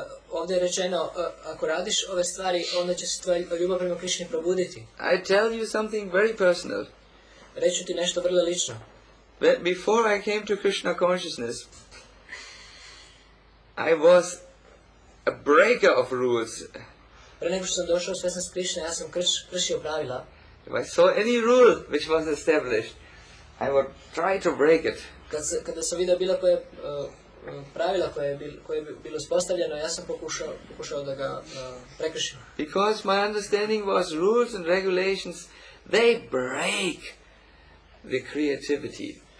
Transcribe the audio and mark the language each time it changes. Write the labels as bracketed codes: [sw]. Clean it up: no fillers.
[sr] Ovdje je rečeno, ako radiš ove stvari, onda će se tvoja ljubav prema Krishni probuditi. [en] I tell you something very personal. [sr] Reću ti nešto vrlo lično. [en] Before I came to Krishna consciousness, I was a breaker of rules. [sr] Pre nego što sam došao u svjesnost Krišne, ja sam kršio pravila. [en] If I saw any rule which was established, I would try to break it. [sr] Kada sam vidio bilo koje pravila koje je bilo uspostavljeno, ja sam pokušao da ga prekršim. [en] Because my understanding was rules and regulations, they break the creativity.